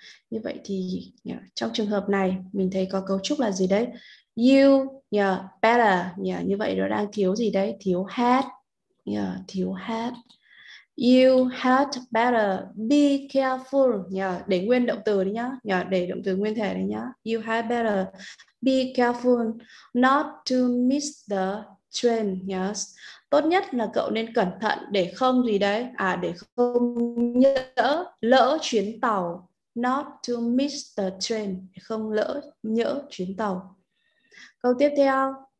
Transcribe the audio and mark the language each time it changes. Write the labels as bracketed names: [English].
[Vietnamese] Như vậy thì trong trường hợp này, mình thấy có cấu trúc là gì đấy? You, better, như vậy nó đang thiếu gì đấy? Thiếu had, thiếu had. [English] You had better be careful. [Vietnamese] Yeah, để nguyên động từ đấy nhá. Yeah, để động từ nguyên thể đấy nhá. [English] You had better be careful not to miss the train. Yes. [Vietnamese] Tốt nhất là cậu nên cẩn thận để không gì đấy. À, để không nhỡ lỡ chuyến tàu. [English] Not to miss the train. [Vietnamese] Không lỡ nhỡ chuyến tàu. Câu tiếp theo.